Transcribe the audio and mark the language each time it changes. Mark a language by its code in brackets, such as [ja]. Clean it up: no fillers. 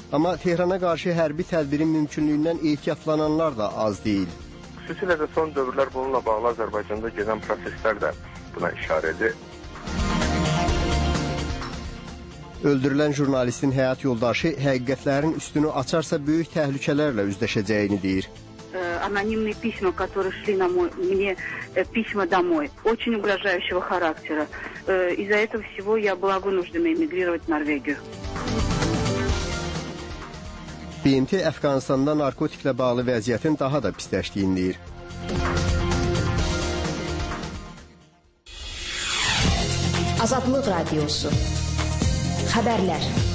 [az] Amma Tehrana qarşı hərbi tədbirin mümkünlüyündən ehtiyatlananlar da az deyil. Xüsusilə də son dövrlər bununla bağlı Azərbaycanda gedən proseslər də buna işarə edir. Öldürülən jurnalistin həyat yoldaşı həqiqətlərin üstünü açarsa böyük təhlükələrlə üzləşəcəyini deyir. [ru] Anonimni письма, которые шли на мой мне письма домой, очень угрожающего характера. Из-за этого всего я была вынуждена эмигрировать в Норвегию. [az] BMT Əfqanistanda narkotiklə bağlı vəziyyətin daha da pisləşdiyini deyir. Azadlıq Radiosu. Xəbərlər.